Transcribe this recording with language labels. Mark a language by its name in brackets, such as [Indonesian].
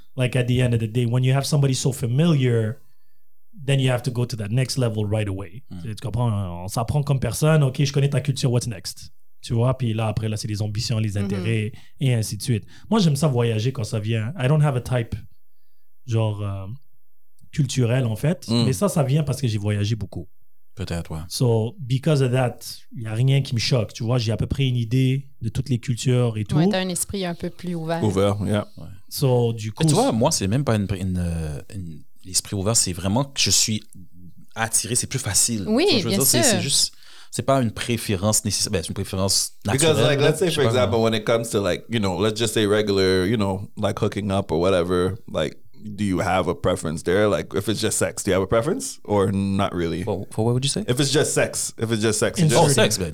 [English] Like at the end of the day, when you have somebody so familiar, then you have to go to that next level right away. [French] Mm. Tu comprends? On s'apprend comme personne, ok, je connais ta culture, [English] what's next? [French] Tu vois? Puis là, après, là, c'est les ambitions, les intérêts, mm-hmm. et ainsi de suite. Moi j'aime ça voyager quand ça vient. [English] I don't have a type, [French] genre, culturel en fait. Mm. Mais ça vient parce que j'ai voyagé beaucoup. Peut-être, ouais. [English] So, because of that, [French] il n'y a rien qui me choque. Tu vois, j'ai à peu près une idée de toutes les cultures et tout. Ouais, t'as un esprit un peu plus ouvert. Ouvert, yeah. Ouais. So, du coup... Mais tu vois, moi, c'est même pas une l'esprit ouvert, c'est vraiment que je suis attiré, c'est plus facile. Oui, tu vois, bien dire, sûr. C'est juste... C'est pas une préférence nécessaire. Ben, c'est une préférence naturelle. [English] Because, like, let's say, for example, when it comes to, like, you know, let's just say regular, you know, like, hooking up or whatever, like... Do you have a preference there? Like, if it's just sex, do you have a preference or not really? For what would you say? If it's just sex. Just, oh, sex, man.